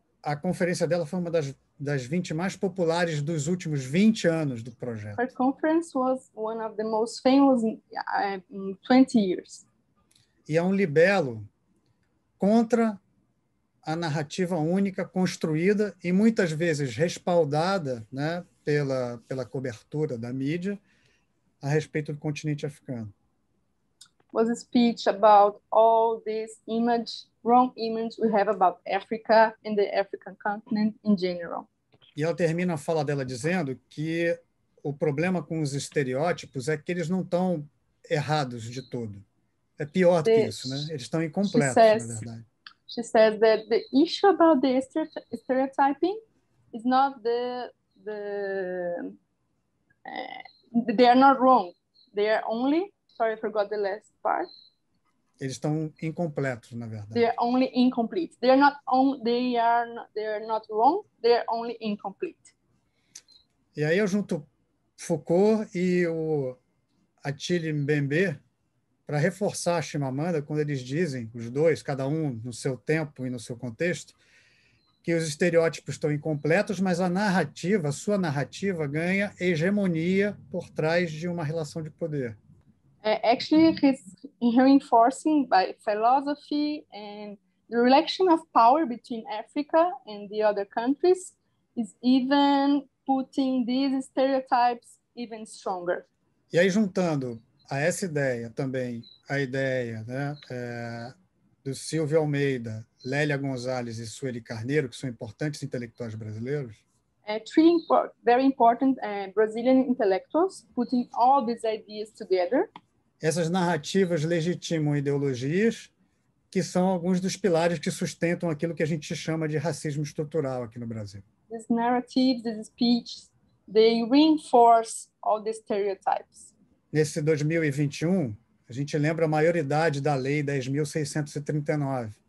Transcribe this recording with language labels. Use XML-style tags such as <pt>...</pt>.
<pt>A conferência dela foi uma das 20 mais populares dos últimos 20 anos do projeto.</pt> <en>Her conference was one of the most famous in 20 years.</en> <pt>E é um libelo contra a narrativa única construída e muitas vezes respaldada, né, pela cobertura da mídia a respeito do continente africano.</pt> <en>Was a speech about all this image, wrong image we have about Africa and the African continent in general.</en> <pt>E ela termina a fala dela dizendo que o problema com os estereótipos é que eles não estão errados de todo. É pior do que isso, né? Eles estão incompletos, na verdade.</pt> <en>She says that the issue about the stereotyping is not they are not wrong. They are only, sorry, I forgot the last part.</en> <pt>Eles estão incompletos, na verdade.</pt> <en>They are only incomplete. They are not wrong. They are only incomplete.</en> <pt>E aí eu junto Foucault e o Achille Mbembe para reforçar a Chimamanda quando eles dizem, os dois, cada um no seu tempo e no seu contexto, que os estereótipos estão incompletos, mas a narrativa, a sua narrativa, ganha hegemonia por trás de uma relação de poder.</pt> <en>Actually, he's reinforcing by philosophy and the relation of power between Africa and the other countries is even putting these stereotypes even stronger.</en> <pt>E aí, juntando a essa ideia também, a ideia, né, do Silvio Almeida, Lélia Gonzalez e Sueli Carneiro, que são importantes intelectuais brasileiros.</pt> <en>Three very important Brazilian intellectuals putting all these ideas together.</en> <pt>Essas narrativas legitimam ideologias que são alguns dos pilares que sustentam aquilo que a gente chama de racismo estrutural aqui no Brasil.</pt> <en>These narratives, these speeches, they reinforce all the stereotypes.</en> <pt>Nesse 2021, a gente lembra a maioridade da Lei 10.639.</pt>